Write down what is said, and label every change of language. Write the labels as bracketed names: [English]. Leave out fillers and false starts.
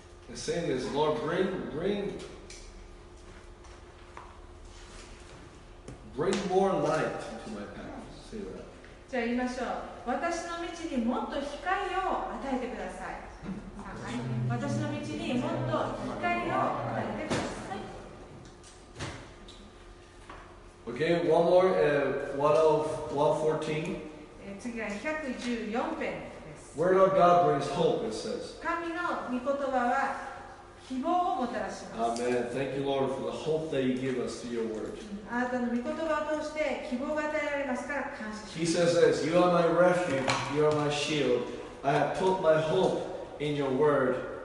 [English] The same is, Lord, bring more light to my path. Say that. [Japanese] じゃあ言いましょう。私の道にもっと光を与えてください。私の道にもっと光を与えてください。 [English] OK, one more, 114. [Japanese] 次は114編です。 [English] Word of God brings hope, it says. [Japanese] 神の御言葉は希望をもたらします。 Amen. [English] Thank you, Lord, for the hope that you give us through your word. [Japanese] あなたの御言葉を通して希望が与えられますから感謝します [English] 。 He says this, You are my refuge, you are my shield. I have put my hope in your word.